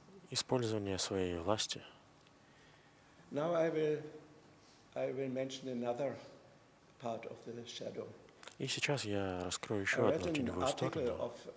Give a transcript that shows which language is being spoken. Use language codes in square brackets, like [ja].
[ru] Использование своей власти. [en] Now I will mention another part of the shadow. [ru] И сейчас я раскрою еще одну теневую сторону.